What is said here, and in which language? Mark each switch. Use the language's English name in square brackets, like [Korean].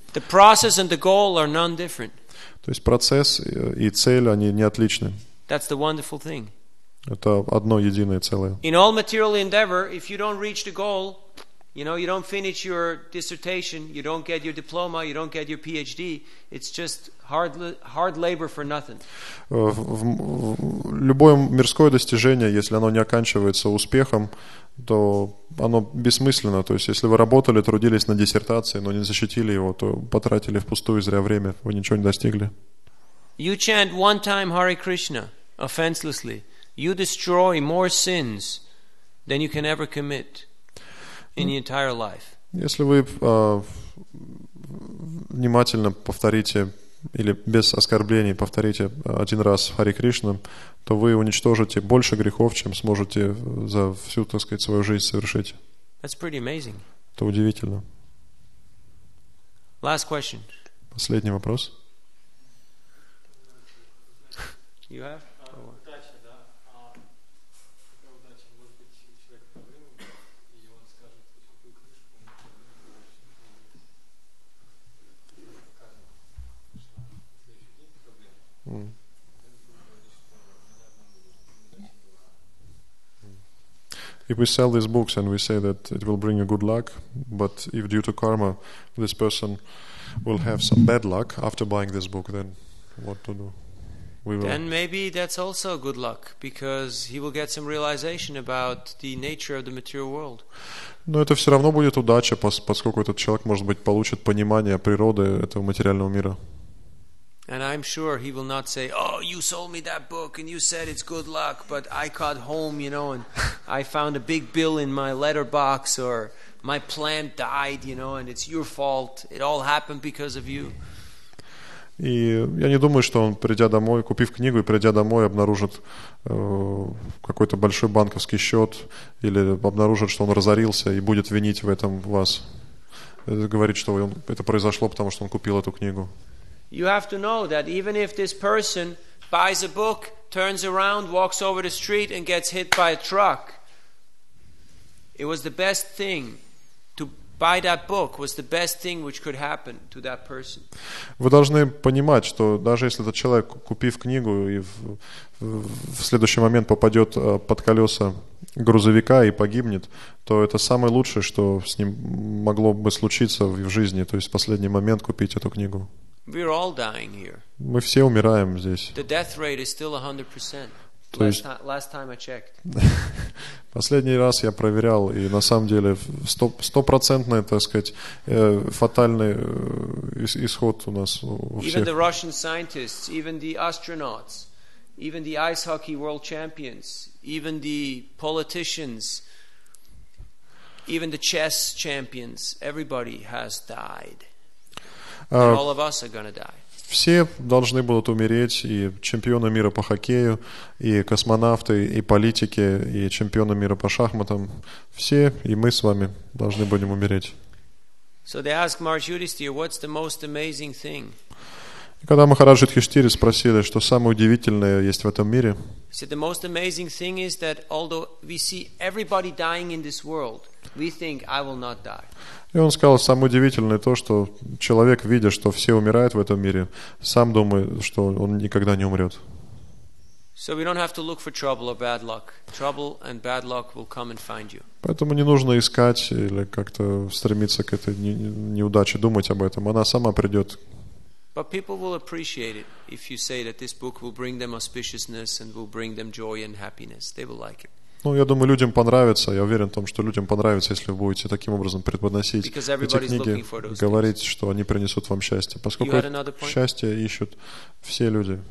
[English] The process and the goal are none different. [Russian] То есть процесс и цель, они не отличны. [English] That's the wonderful thing. [Russian] Это одно единое целое. [English] In all material endeavor, if you don't reach the goal, you know, you don't finish your dissertation, you don't get your diploma, you don't get your PhD, it's just hard labor for nothing. [Russian] Любое мирское достижение, если оно не оканчивается успехом, то оно бессмысленно. То есть, если вы работали, трудились на диссертации, но не защитили его, то потратили впустую зря время, вы ничего не достигли. [English] You chant one time Hare Krishna, offenselessly, you destroy more sins than you can ever commit in your entire life. [Russian] Если вы внимательно повторите или без оскорблений повторите один раз Хари Кришна, то вы уничтожите больше грехов, чем сможете за всю, так сказать, свою жизнь совершить. [English] That's pretty amazing. [Russian] Это удивительно. [English] Last question. [Russian] Последний вопрос. [English] You have? If we sell these books and we say that it will bring you good luck, but if due to karma this person will have some bad luck after buying this book, then what to do? We will. Then maybe that's also good luck, because he will get some realization about the nature of the material world. [Russian] Но это все равно будет удача, поскольку этот человек, может быть, получит понимание природы этого материального мира. [English] And I'm sure he will not say, oh, you sold me that book and you said it's good luck, but I caught home, you know, and I found a big bill in my letterbox, or my plant died, you know, and it's your fault. It all happened because of you. [Russian] И я не думаю, что он, придя домой, купив книгу и придя домой, обнаружит какой-то большой банковский счет или обнаружит, что он разорился и будет винить в этом вас. Говорит, что это произошло, потому что он купил эту книгу. [English] You have to know that even if this person buys a book, turns around, walks over the street and gets hit by a truck, it was the best thing to buy that book, was the best thing which could happen to that person. [Russian] Вы должны понимать, что даже если этот человек, купив книгу, и в следующий момент попадет под колеса грузовика и погибнет, то это самое лучшее, что с ним могло бы случиться в жизни, то есть в последний момент купить эту книгу. [English] We're all dying here. [Russian] Мы все умираем здесь. [English] The death rate is still 100%. Last time I checked. [Russian] Последний раз я проверял, и на самом деле стопроцентный, так сказать, фатальный исход у нас у всех. [English] Even the Russian scientists, even the astronauts, even the ice hockey world champions, even the politicians, even the chess champions, everybody has died. And all of us are gonna die. [Russian] Все должны будут умереть, и чемпионы мира по хоккею, и космонавты, и политики, и чемпионы мира по шахматам. Все, и мы с вами, должны будем умереть. [English] So they ask Maharaj Yudhisthira, what's the most amazing thing? [Russian] Когда Махараджа Юдхиштхира спросили, что самое удивительное есть в этом мире, [English] the most amazing thing is that although we see everybody dying in this world, we think I will not die. [Russian] И он сказал, самое удивительное то, что человек, видя, что все умирают в этом мире, сам думает, что он никогда не умрет. [English] So we don't have to look for trouble or bad luck. Trouble and bad luck will come and find you. [Russian] Поэтому не нужно искать или как-то стремиться к этой неудаче, думать об этом. Она сама придет. [English] But people will appreciate it if you say that this book will bring them auspiciousness and will bring them joy and happiness. They will like it. [Russian] Ну, я думаю, людям понравится. Я уверен в том, что людям понравится, если вы будете таким образом преподносить эти книги, говорить, что они принесут вам счастье. Поскольку счастье ищут все люди.